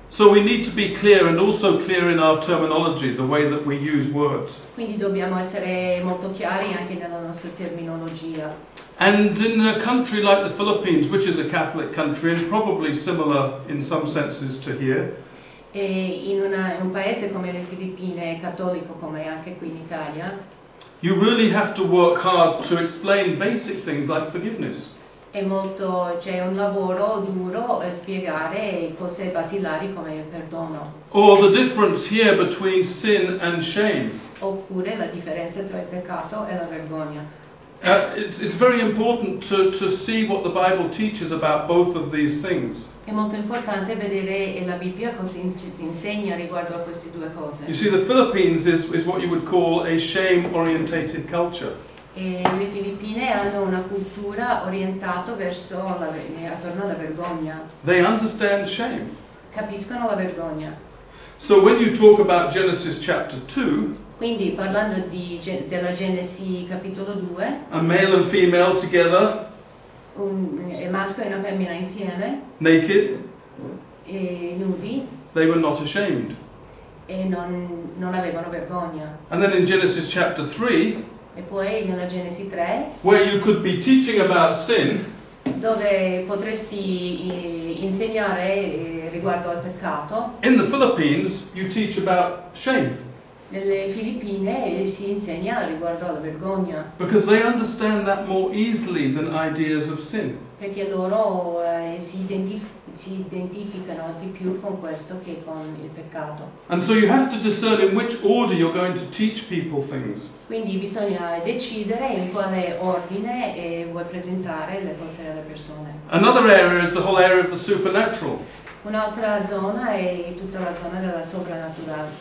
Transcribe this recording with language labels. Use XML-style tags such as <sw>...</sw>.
<en>So we need to be clear and also clear in our terminology, the way that we use words.</en> <it>Quindi dobbiamo essere molto chiari anche nella nostra terminologia.</it> <en>And in a country like the Philippines, which is a Catholic country and probably similar in some senses to here.</en> <it>E in un paese come le Filippine, cattolico come anche qui in Italia.</it> <en>You really have to work hard to explain basic things like forgiveness.</en> <it>È molto, c'è un lavoro duro a spiegare cose basilari come il perdono.</it> <en>Or the difference here between sin and shame.</en> <it>Oppure la differenza tra il peccato e la vergogna.</it> <en>It's very important to see what the Bible teaches about both of these things.</en> <it>È molto importante vedere la Bibbia cosa insegna riguardo a queste due cose.</it> <en>You see, the Philippines is what you would call a shame-orientated culture.</en> <it>E le Filippine hanno una cultura orientata verso attorno alla vergogna.</it> <en>They understand shame.</en> <it>Capiscono la vergogna.</it> <en>So when you talk about Genesis chapter 2,</en> <it>quindi parlando della Genesi capitolo 2,</it> <en>a male and female together,</en> <it>un maschio e una femmina insieme,</it> <en>naked,</en> <it>e nudi,</it> <en>they were not ashamed.</en> <it>E non avevano vergogna.</it> <en>And then in Genesis chapter 3,</en> <it>e poi nella Genesi 3,</it> <en>where you could be teaching about sin,</en> <it>dove potresti insegnare riguardo al peccato.</it> <en>In the Philippines you teach about shame.</en> <it>Nelle Filippine si insegna riguardo alla vergogna.</it> <en>Because they understand that more easily than ideas of sin.</en> <it>Perché loro si identificano di più con questo che con il peccato.</it> <en>And so you have to discern in which order you're going to teach people things.</en> <it>Quindi bisogna decidere in quale ordine vuoi presentare le cose alle persone.</it> <en>Another area is the whole area of the supernatural.</en> <it>Un'altra zona è tutta la zona della soprannaturale.</it>